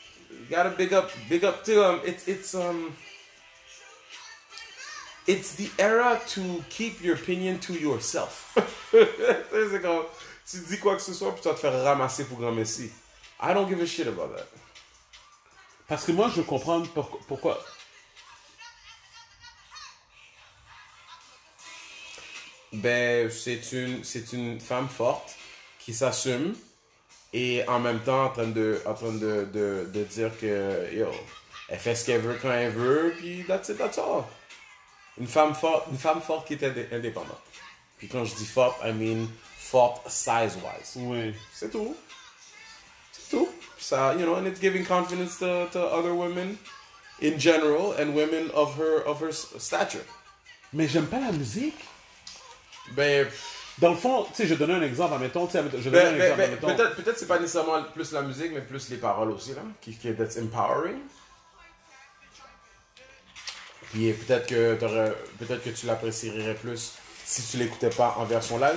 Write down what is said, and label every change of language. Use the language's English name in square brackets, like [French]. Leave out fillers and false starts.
[English] You gotta big up to it's the era to keep your opinion to yourself. [French] C'est comme, tu dis quoi que ce soit, puis tu vas te faire ramasser pour grand merci. [English] I don't give a shit about that. [French] Parce que moi, je veux comprendre pourquoi. Ben, c'est une femme forte qui s'assume et en même temps en train de dire que, yo, elle fait ce qu'elle veut quand elle veut, puis [English] that's it, that's all. [French] Une femme forte qui est indépendante. Puis quand je dis forte, [English] I mean [French] forte size-wise. Oui. C'est tout. [English] So, you know, and it's giving confidence to other women in general and women of her stature. [French] Mais j'aime pas la musique. Ben, dans le fond, tu sais, je donne un exemple, admettons, tu sais, peut-être c'est pas nécessairement plus la musique, mais plus les paroles aussi, là, qui that's empowering. Puis peut-être que tu l'apprécierais plus si tu l'écoutais pas en version live.